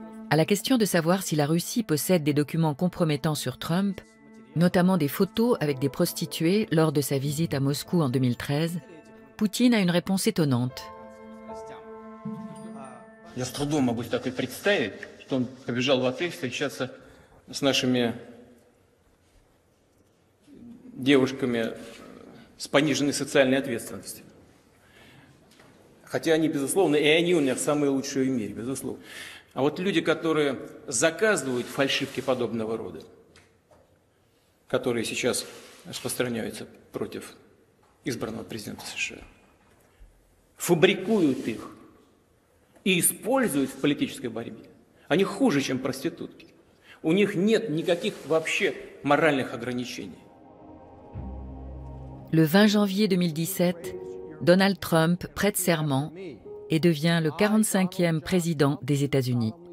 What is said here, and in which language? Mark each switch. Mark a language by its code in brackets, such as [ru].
[fr] À la question de savoir si la Russie possède des documents compromettants sur Trump, notamment des photos avec des prostituées lors de sa visite à Moscou en 2013, Poutine a une réponse étonnante. [ru] Я с трудом могу себе так и представить, что он побежал в отель встречаться с нашими девушками с пониженной социальной ответственностью. Хотя они, безусловно, и они у меня самые лучшие в мире, безусловно. А вот люди, которые заказывают фальшивки подобного рода, которые сейчас распространяются против избранного президента США, фабрикуют их. И используют в политической борьбе. Они хуже, чем проститутки. У них нет никаких вообще моральных ограничений. [fr] Le 20 janvier 2017, Donald Trump prête serment et devient le 45e président des États-Unis.